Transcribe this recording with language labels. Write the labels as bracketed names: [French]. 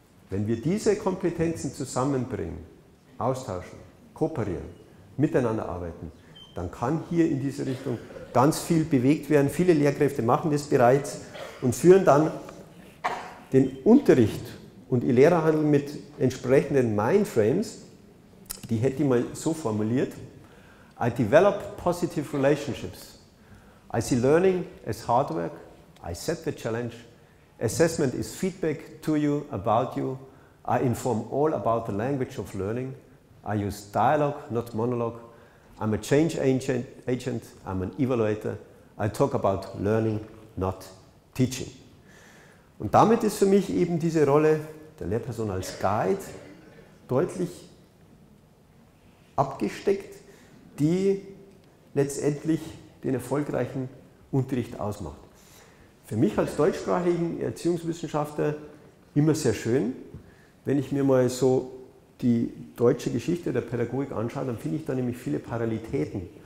[German] Wenn wir diese Kompetenzen zusammenbringen, austauschen, kooperieren, miteinander arbeiten, dann kann hier in diese Richtung ganz viel bewegt werden. Viele Lehrkräfte machen das bereits und führen dann den Unterricht und ihr Lehrerhandeln mit entsprechenden Mindframes, die hätte ich mal so formuliert, [English] I develop positive relationships. I see learning as hard work. I set the challenge. Assessment is feedback to you, about you. I inform all about the language of learning. I use dialogue, not monologue. I'm a change agent, I'm an evaluator. I talk about learning, not teaching. [German] Und damit ist für mich eben diese Rolle der Lehrperson als Guide deutlich abgesteckt, die letztendlich den erfolgreichen Unterricht ausmacht. Für mich als deutschsprachigen Erziehungswissenschaftler immer sehr schön, wenn ich mir mal so die deutsche Geschichte der Pädagogik anschaue, dann finde ich da nämlich viele Parallelitäten.